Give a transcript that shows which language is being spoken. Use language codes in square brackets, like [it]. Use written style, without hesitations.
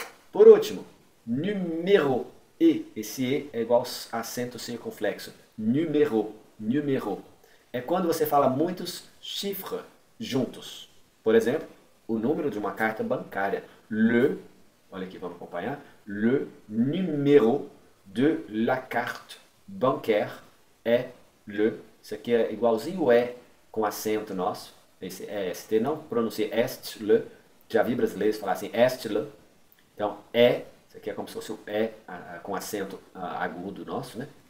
[pt] Por último, numéro e esse e é igual acento circunflexo. Numéro. É quando você fala muitos chiffres juntos. Por exemplo, o número de uma carta bancária. Olha aqui, vamos acompanhar. [fr] Le numéro de la carte bancaire est le. [pt] Isso aqui é igualzinho o é. Com acento nosso, esse é ST, não pronuncie est le, já vi brasileiros falar assim, est le. Então, é, isso aqui é como se fosse o é com acento agudo nosso, né?